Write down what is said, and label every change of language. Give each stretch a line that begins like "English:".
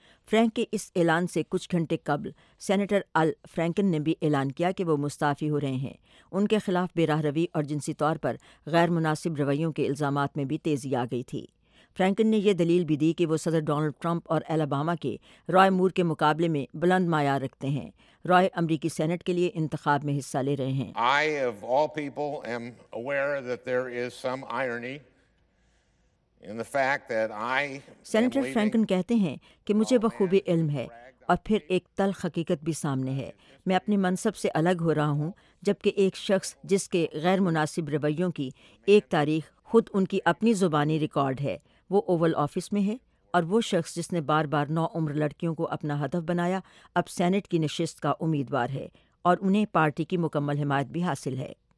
Urdu: Frank کے اس اعلان سے کچھ گھنٹے قبل سینیٹر ال فرینکن نے بھی اعلان کیا کہ وہ مستعفی ہو رہے ہیں۔ ان کے خلاف بے راہ روی اور جنسی طور پر غیر مناسب رویوں کے الزامات میں بھی تیزی آ گئی تھی۔ فرینکن نے یہ دلیل بھی دی کہ وہ صدر ڈونلڈ ٹرمپ اور الاباما کے رائے مور کے مقابلے میں بلند معیار رکھتے ہیں۔ رائے امریکی سینٹ کے لیے انتخاب میں حصہ لے رہے ہیں۔
English: I of all people am aware that there is some irony in the fact that I
Urdu: senator Franken کہتے ہیں کہ مجھے بخوبی علم ہے اور پھر ایک تلخ حقیقت بھی سامنے ہے۔ میں اپنے منصب سے الگ ہو رہا ہوں، جبکہ ایک شخص جس کے غیر مناسب رویوں کی ایک تاریخ خود ان کی اپنی زبانی ریکارڈ ہے، وہ اوول آفس میں ہے، اور وہ شخص جس نے بار بار نو عمر لڑکیوں کو اپنا ہدف بنایا اب سینٹ کی نشست کا امیدوار ہے اور انہیں پارٹی کی مکمل حمایت بھی حاصل ہے۔